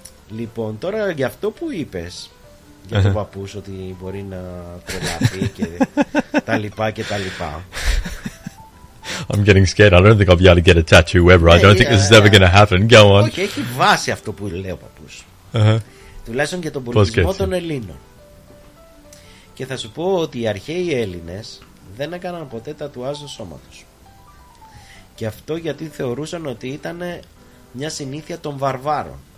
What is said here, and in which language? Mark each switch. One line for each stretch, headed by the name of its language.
Greek: Λοιπόν, τώρα για αυτό που είπες για τον παππούς, ότι μπορεί να τρελαθεί και τα λοιπά και τα λοιπά.
English: I'm getting scared. I don't think I'll be able to get a tattoo ever. I don't think this is ever going to happen. Go on.
Greek: Okay, έχει βάση αυτό που λέει ο παππούς. Τουλάχιστον για τον πολιτισμό των Ελλήνων. Και θα σου πω ότι οι αρχαίοι Έλληνες δεν έκαναν ποτέ τατουάζ στο σώμα τους. Και αυτό γιατί θεωρούσαν ότι ήταν μια συνήθεια των βαρβάρων.